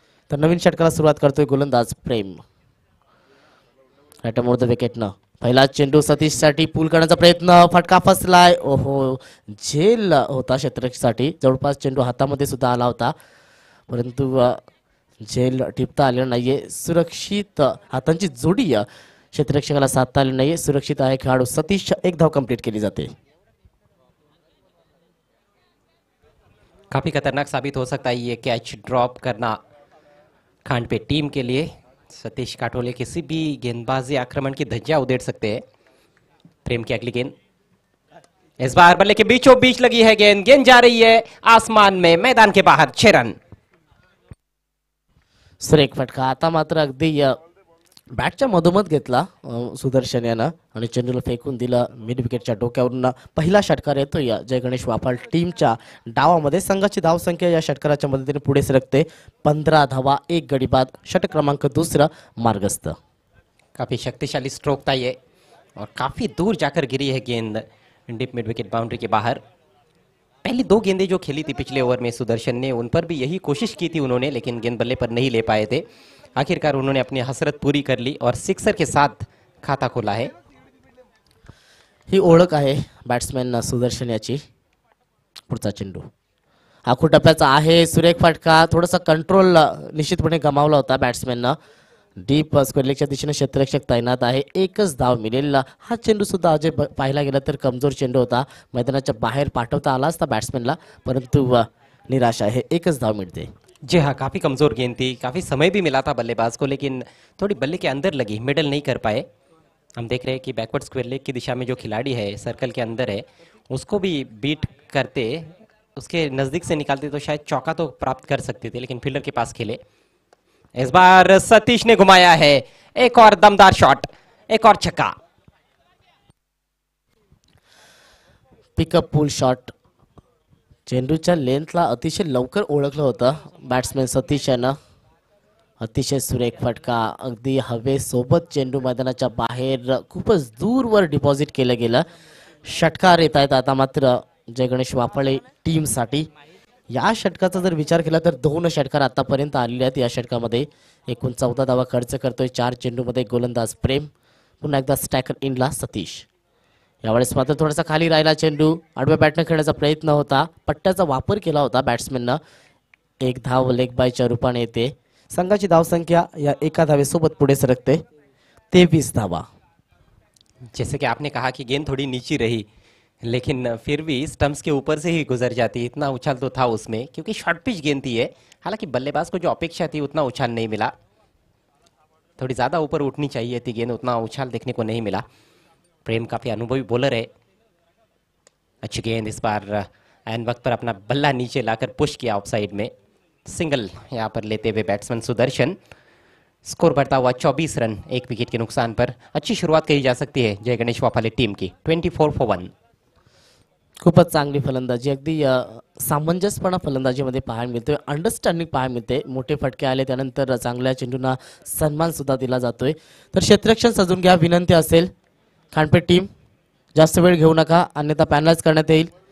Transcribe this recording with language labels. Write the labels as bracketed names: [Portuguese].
[Marathi] तर नवीन षटकाला सुरुवात करतोय गोलंदाज प्रेम, राईट अमोर द विकेट न, पहिला चेंडू सतीशसाठी पूल करण्याचा प्रयत्न, फटका फसलाय, ओहो झेल होता क्षेत्ररक्षणासाठी, जवळपास चेंडू हातामध्ये सुद्धा आला होता, परंतु झेल टिपता आले नाहीये, सुरक्षित हातांची जोडी क्षेत्ररक्षकाला साधता आली नाहीये, सुरक्षित आहे खेळाडू सतीश, एक धाव कंप्लीट केली जाते। [Hindi] काफी खतरनाक साबित हो सकता है ये कॅच ड्रॉप करना खांडपे टीम के लिए, सतीश काठोले किसी भी गेंदबाजी आक्रमण की धज्जा उधेड़ सकते हैं। प्रेम की अगली गेंद, इस बार बल्ले के बीचों बीच लगी है गेंद, गेंद जा रही है आसमान में, मैदान के बाहर 6 रन। [Marathi] सर एक फटका आता मात्र अगदी बॅटच्या मधोमध घेतला सुदर्शन यानं, आणि चेंडूला फेकून दिला मिड विकेटच्या डोक्यावरून, पहिला षटकार येतोय जय गणेश वाफाळ टीमच्या डावामध्ये, संघाची धाव संख्या या षटकाराच्या मदतीने पुढे सरकते 15 धावा 1 गडी बाद, षटक क्रमांक 2 मार्गस्थ। [Hindi] काफी शक्तिशाली स्ट्रोक ताई आहे और काफी दूर जाकर गिरी है गेंद डीप मिड विकेट बाउंड्री के बाहर। पहली दो गेंदें जो खेली थी पिछले ओवर में सुदर्शन ने, उन पर भी यही कोशिश की थी उन्होंने, लेकिन गेंद बल्ले पर नहीं ले पाए थे, आखिरकार उन्होंने अपनी हसरत पूरी कर ली और सिक्सर के साथ खाता खोला है। [Marathi] ही ओळख आहे बॅट्समॅन सुदर्शन याची, पुढचा चेंडू हा खुटप्याचा आहे, सुरेख फटका, थोडासा कंट्रोल निश्चितपणे गमावला होता बॅट्समॅननं, डीप स्क्वेअर लेगच्या दिशेने क्षेत्ररक्षक तैनात आहे, एकच धाव मिळेल, हा चेंडू सुद्धा अजय पाहायला गेला तर कमजोर चेंडू होता, मैदानाच्या बाहेर पाठवता आला असता बॅट्समॅनला, परंतु निराशा आहे, एकच धाव मिळते। [Hindi] जी हाँ, काफ़ी कमज़ोर गेंद थी, काफ़ी समय भी मिला था बल्लेबाज को, लेकिन थोड़ी बल्ले के अंदर लगी, मिडल नहीं कर पाए। हम देख रहे हैं कि बैकवर्ड स्क्वेयर लेग की दिशा में जो खिलाड़ी है सर्कल के अंदर है, उसको भी बीट करते, उसके नज़दीक से निकालते तो शायद चौका तो प्राप्त कर सकते थे, लेकिन फील्डर के पास खेले। इस बार सतीश ने घुमाया है, एक और दमदार शॉट, एक और छक्का, [Marathi] पिकअप पुल शॉट, चेंडूच्या लेंथला अतिशय लवकर ओळखलं होतं बॅट्समॅन सतीश यानं, अतिशय सुरेख फटका, अगदी हवेसोबत चेंडू मैदानाच्या बाहेर खूपच दूरवर डिपॉझिट केलं गेलं, षटकार येत आहेत आता मात्र जय गणेश वाफाळे टीमसाठी। या षटकाचा जर विचार केला तर 2 षटकार आतापर्यंत आलेले आहेत या षटकामध्ये, एकूण 14 धावा खर्च करतोय 4 चेंडूमध्ये गोलंदाज प्रेम, पुन्हा एकदा स्टॅकर इनला सतीश, यावेळेस मात्र थोडासा खाली राहिला चेंडू, आडव्या बॅटनं खेळण्याचा प्रयत्न होता, पट्ट्याचा वापर केला होता बॅट्समॅननं, एक धाव लेग बायच्या रूपाने येते, संघाची धावसंख्या या एका धावेसोबत पुढे सरकते 23 धावा। [Hindi] जैसे की आपने कहा की गेंद थोडी नीची रही, लेकिन फिर भी स्टम्प्स के ऊपर से ही गुजर जाती, इतना उछाल तो था उसमें क्योंकि शॉर्ट पिच गेंद थी ये। हालांकि बल्लेबाज को जो अपेक्षा थी उतना उछाल नहीं मिला, थोड़ी ज़्यादा ऊपर उठनी चाहिए थी गेंद, उतना उछाल देखने को नहीं मिला। प्रेम काफ़ी अनुभवी बॉलर है। अच्छी गेंद इस बार, एन वक्त पर अपना बल्ला नीचे लाकर पुश किया ऑफ साइड में, सिंगल यहाँ पर लेते हुए बैट्समैन सुदर्शन। स्कोर बढ़ता हुआ 24 रन एक विकेट के नुकसान पर। अच्छी शुरुआत कही जा सकती है जय गणेश वाफाले टीम की, 24 for 1। [Marathi] खूप चांगली फलंदाजी, अगदी सामंजस्यपणा फलंदाजीमध्ये पाहायला मिळतोय, अंडरस्टँडिंग पाहायला मिळते। मोठे फटके आले त्यानंतर चांगल्या चेंडूंना सन्मान सुद्धा दिला जातोय। तर क्षेत्ररक्षण सजून घ्या विनंती असेल खांडपे टीम, जास्त वेळ घेऊ नका अन्यथा पॅनलाइज करण्यात येईल।